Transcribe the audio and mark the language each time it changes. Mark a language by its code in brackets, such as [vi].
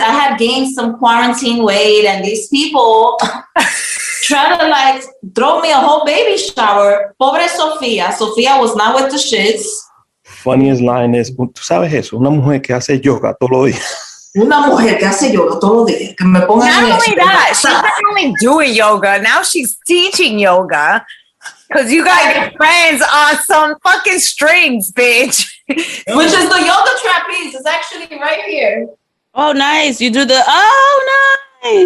[en] I have gained some quarantine weight, and these people try to, like, throw me a whole baby shower. [es] Pobre [en] Sofia. Sofia was not with the shits. Funniest line is, [es] ¿tú sabes eso? Una mujer que hace yoga todos los días. Una mujer que hace yoga todos los días. Que me ponga [en] not only that, she's not only doing yoga, now she's teaching yoga. Because you got your friends on some fucking strings, bitch. Which is the yoga trapeze. It's actually right here. Oh, nice. You do the, oh, nice.